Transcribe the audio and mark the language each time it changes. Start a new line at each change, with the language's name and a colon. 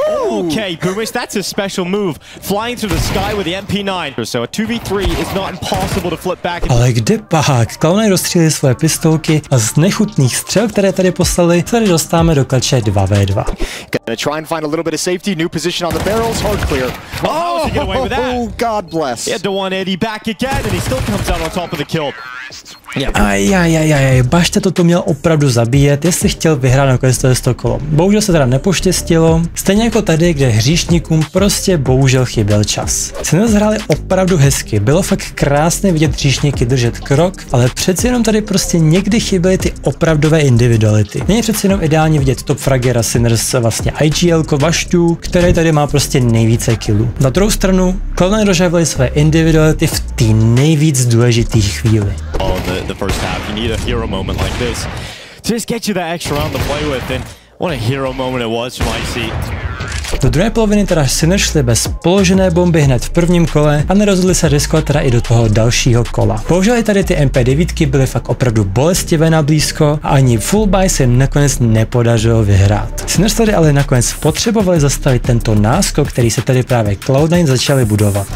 English: Okay, Boomish, that's a special move. Flying through the sky with the MP9. So a 2v3 is not impossible to flip back.
Czech: Ale kdepak, Cloud9 rozstřílili svoje pistolky a z nechutných střel, které tady poslali, tady dostáváme do klatče 2v2.
English: Gonna try and find a little bit of safety, new position on the barrels, hard clear. Oh, God bless. He had the 180 back again and he still comes out on top of the kill.
Czech: Ajajajajaj, Bašte toto měl opravdu zabíjet, jestli chtěl vyhrát nakonec tohle 100 kolo. Bohužel se teda nepoštěstilo, stejně jako tady, kde hříšníkům prostě bohužel chyběl čas. Cena zhráli opravdu hezky, bylo fakt krásné vidět hříšníky držet krok, ale přeci jenom tady prostě někdy chyběly ty opravdové individuality. Není přeci jenom ideální vidět top fragera Sinners vlastně IGL-ko Baštu, který tady má prostě nejvíce killů. Na druhou stranu, Cloud9 rozhrávali své individuality v té nejvíc důležité chvíli.
English: The first half, you need a hero moment like this to just get you that extra round to play with, and what a hero moment it was from IC.
Czech: Do druhé poloviny teda si nešli bez položené bomby hned v prvním kole a nerozhodli se riskovat teda i do toho dalšího kola. Bohužel i tady ty MP9 byly fakt opravdu bolestivé na blízko a ani full buy se nakonec nepodařilo vyhrát. Sinners tady ale nakonec potřebovali zastavit tento náskok, který se tady právě Cloud9 začali budovat.